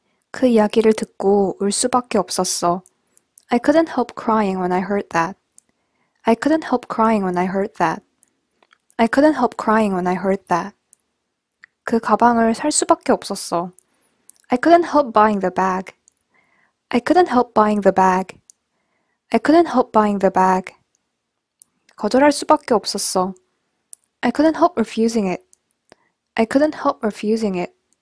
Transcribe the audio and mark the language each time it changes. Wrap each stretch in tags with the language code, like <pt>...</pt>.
<ko>그 이야기를 듣고 울 수밖에 없었어.</ko> <en>I couldn't help crying when I heard that. I couldn't help crying when I heard that. I couldn't help crying when I heard that.</en> <ko>그 가방을 살 수밖에 없었어.</ko> <en>I couldn't help buying the bag. I couldn't help buying the bag. I couldn't help buying the bag.</en> <ko>거절할 수밖에 없었어.</ko> <en>I couldn't help refusing it. I couldn't help refusing it.</en>